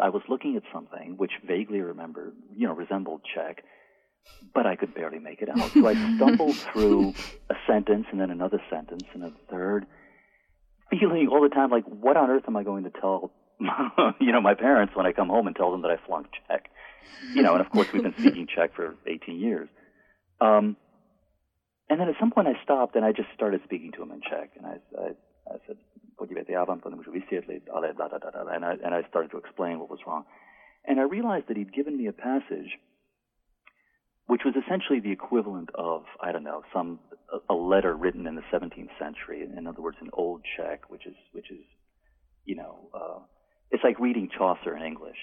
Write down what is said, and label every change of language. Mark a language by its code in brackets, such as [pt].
[en] I was looking at something which vaguely remembered, you know, resembled Czech, but I could barely make it out. So I stumbled through a sentence and then another sentence and a third, feeling all the time like, what on earth am I going to tell you know, my parents when I come home and tell them that I flunked Czech. You know, and of course we've been speaking Czech for 18 years. And then at some point I stopped and I just started speaking to him in Czech. And I said, [cs] podívejte, já vám to nemůžu vysvětlit, ale da da da da. [en] And I started to explain what was wrong. And I realized that he'd given me a passage which was essentially the equivalent of, I don't know, some a letter written in the 17th century. In other words, an old Czech, which is, you know, it's like reading Chaucer in English.